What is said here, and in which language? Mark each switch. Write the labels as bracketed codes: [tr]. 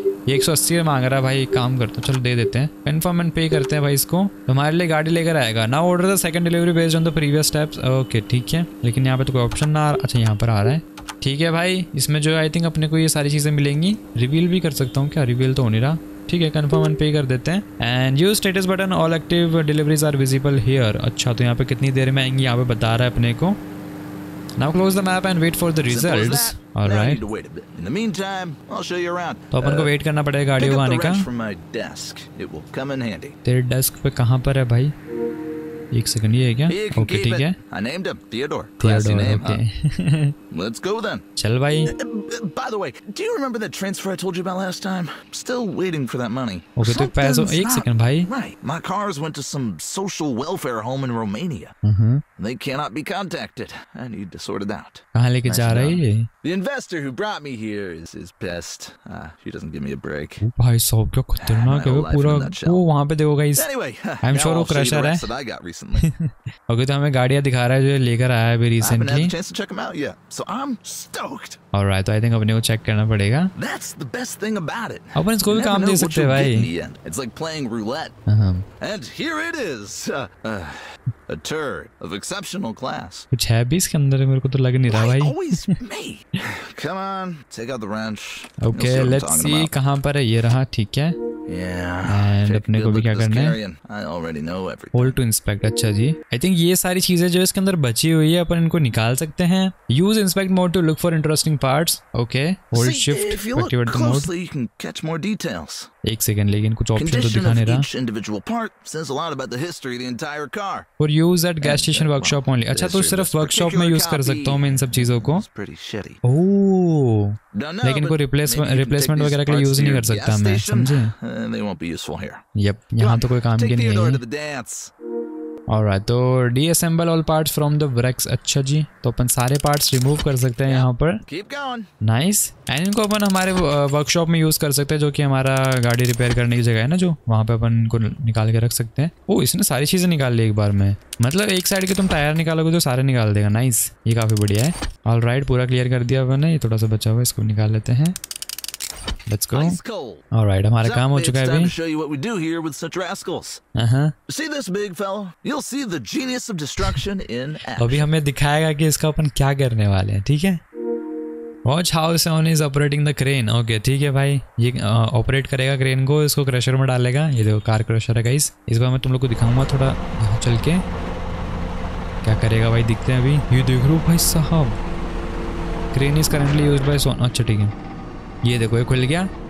[hi] 180 मांग रहा है भाई काम करते हैं चलो दे देते हैं कन्फर्म एंड पे करते हैं भाई इसको हमारे लिए गाड़ी लेकर आएगा [en] now order the second delivery based on the previous steps [hi] okay ठीक है लेकिन यहाँ पे तो कोई ऑप्शन ना आ रहा अच्छा यहाँ पर आ रहा है ठीक है भाई इसमें जो है आई थिंक अपने को ये सारी चीज़ें मिलेंगी रिवील भी कर सकता हूँ क्या रिवील तो हो नहीं रहा ठीक है कन्फर्म एंड पे कर देते हैं and [en] use status button all active deliveries are visible here [hi] अच्छा तो यहाँ पे कितनी देर में आएंगी यहाँ पे बता रहा है अपने को [en] Now close the map and wait for the results. All right. Now you need to wait a bit. In the meantime, I'll show you around. [hi] तो अपन को वेट करना पड़ेगा गाड़ी को आने का. [en] Pick up the wrench from my desk. It will come in handy. [hi] तेरे desk पे कहाँ पर है भाई? एक सेकंड ये है क्या? Okay, ठीक है. [en] I named him Theodore. Theodore, okay. Let's go then. [hi] चल भाई. [en] By the way, do you remember that transfer I told you about last time? Still waiting for that money. [hi] Okay, तो पैसों एक सेकंड भाई. [en] Right. My cars went to some social welfare home in Romania. They cannot be contacted. I need to sort it out. [hi] कहाँ लेके जा रहा है ये? [en] The investor who brought me here is pissed. She doesn't give me a break. [hi] भाई साहब क्या खतरनाक है वो पूरा वो वहाँ पे देखोगे इस. [en] Anyway, I'm sure [hi] वो क्रशर है. [en] That I got recently. [hi] Okay, तो हमें गाड़ियाँ दिखा रहा है जो लेकर आया है अभी recently. [en] I haven't had a chance to check them out yet, so I'm stoked. All right, so I think [hi] अपने को चेक करना पड़ेगा. [en] That's the best thing about it. [hi] अपन इसको भी काम दे सकते हैं भाई. [en] It's like playing roulette. And here it is. A turd of exceptional class. [hi] कुछ है भी इसके अंदर मेरे को तो लग नहीं रहा भाई. [en] Always me. Come on, take out the wrench. Okay, let's see [hi] कहाँ पर है ये रहा ठीक है. [en] Yeah. [hi] And अपने को भी क्या करना है? [en] I already know everything. Hold to inspect. [hi] अच्छा जी. I think ये सारी चीजें जो इसके अंदर बची हुई है अपन इनको निकाल सकते हैं. [en] Use inspect mode to look for interesting parts. Okay. Hold shift. Activate the mode. You can catch more details. [hi] एक सेकंड लेकिन कुछ ऑप्शन तो दिखा नहीं रहा. [en] Condition of each individual part says a lot about the history of the entire car. For use at gas station workshop only. [hi] अच्छा तो सिर्फ वर्कशॉप में यूज कर सकता हूँ मैं इन सब चीजों को. [en] It's pretty shitty. Oh. [hi] लेकिन कोई रिप्लेसमेंट वगैरह के लिए यूज नहीं कर सकता मैं समझे [en] they won't be useful here. [hi] Yep, यहाँ तो कोई काम के नहीं है. [en] The dance. Alright, तो disassemble all parts from the wrecks. [hi] अच्छा जी, तो अपन सारे parts remove कर सकते हैं यहाँ पर. [en] Keep going. Nice. [hi] And इनको अपन हमारे workshop में use कर सकते हैं, जो कि हमारा गाड़ी repair करने की जगह है ना, जो वहाँ पे अपन को निकाल के रख सकते हैं. ओह, इसने सारी चीजें निकाल ली एक बार में. मतलब एक साइड के तुम टायर निकालोगे तो सारे निकाल देगा. नाइस, ये काफी बढ़िया है. ऑल राइट, पूरा क्लियर कर दिया अपन ने. ये थोड़ा सा बचा हुआ, इसको निकाल लेते हैं. [en] Let's go. Ice cold. [hi] All right, हमारा काम हो चुका है अभी. [en] Time to show you what we do here with such rascals. See this big fellow? You'll see the genius of destruction in action. [hi] अभी हमें दिखाएगा कि इसका अपन क्या करने वाले हैं, ठीक है? [en] Watch how someone is operating the crane. [hi] Okay, ठीक है भाई. ये operate करेगा क्रेन को, इसको क्रशर में डालेगा. ये देखो, कार क्रशर है गाइस. इस बार मैं तुम लोग को दिखाऊंगा थोड़ा चल के क्या करेगा भाई. दिखते हैं अभी. ये देख रो भाई साहब, [en] Crane is currently used by son. [hi] अच्छा ठीक है, ये देखो ये खुल गया.